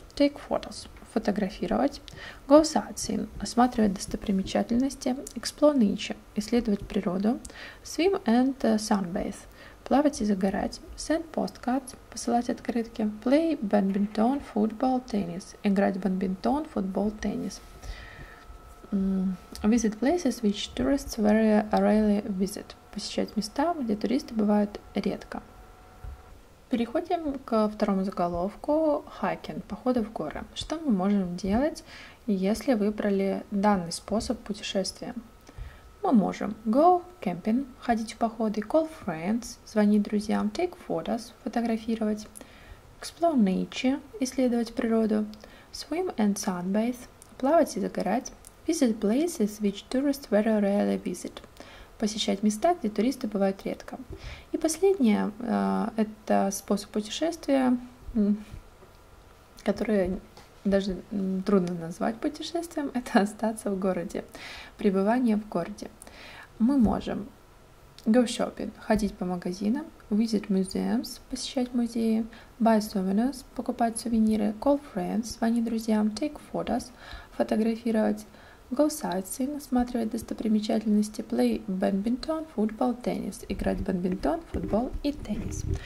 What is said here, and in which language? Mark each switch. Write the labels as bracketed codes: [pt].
[en] Take photos. [ru] Фотографировать. [en] Go sightseeing. [ru] Осматривать достопримечательности. [en] Explore nature. [ru] Исследовать природу. [en] Swim and sunbathe. [ru] Плавать и загорать. [en] Send postcards. [ru] Посылать открытки. [en] Play badminton, football, tennis. [ru] Играть в бадминтон, футбол, теннис. [en] Visit places which tourists very rarely visit. [ru] Посещать места, где туристы бывают редко. Переходим ко второму заголовку. [en] Hiking. [ru] Походы в горы. Что мы можем делать, если выбрали данный способ путешествия? Мы можем [en] go camping, [ru] ходить в походы, [en] call friends, [ru] звонить друзьям, [en] take photos, [ru] фотографировать, [en] explore nature, [ru] исследовать природу, [en] swim and sunbathe, [ru] плавать и загорать, [en] visit places which tourists very rarely visit. [ru] Посещать места, где туристы бывают редко. И последнее, это способ путешествия, который даже трудно назвать путешествием, это остаться в городе, пребывание в городе. Мы можем [en] go shopping, [ru] ходить по магазинам, [en] visit museums, [ru] посещать музеи, [en] buy souvenirs, [ru] покупать сувениры, [en] call friends, [ru] звонить друзьям, [en] take photos, [ru] фотографировать, [en] go sightseeing, [ru] осматривать достопримечательности, [en] play badminton, [ru] футбол, теннис, играть в бадминтон, футбол и теннис.